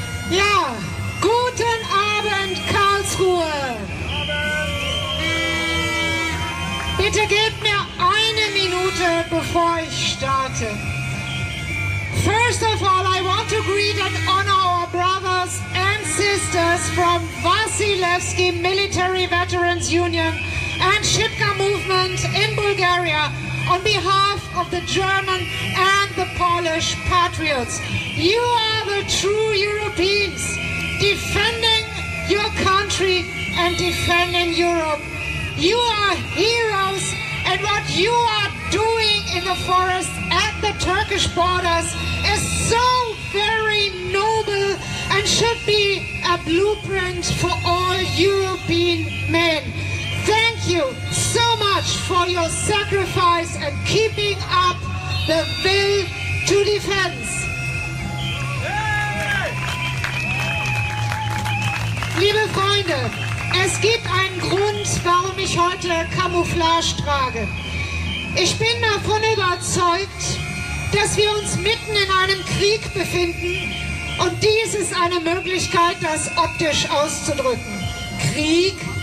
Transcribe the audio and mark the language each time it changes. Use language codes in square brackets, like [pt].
[de] Ja, guten Abend, Karlsruhe! Bitte gebt mir eine Minute, bevor ich starte. [en] First of all, I want to greet and honor our brothers and sisters from Vasilevsky Military Veterans Union and Shipka Movement in Bulgaria on behalf of the German and the Polish patriots. You are the true Europeans defending your country and defending Europe. You are heroes, and what you are doing in the forest at the Turkish borders is so very noble and should be a blueprint for all European men. Thank you so much for your sacrifice and keeping up the will to defense. Yeah. [de] Liebe Freunde, es gibt einen Grund, warum ich heute Camouflage trage. Ich bin davon überzeugt, dass wir uns mitten in einem Krieg befinden und dies ist eine Möglichkeit, das optisch auszudrücken. Krieg?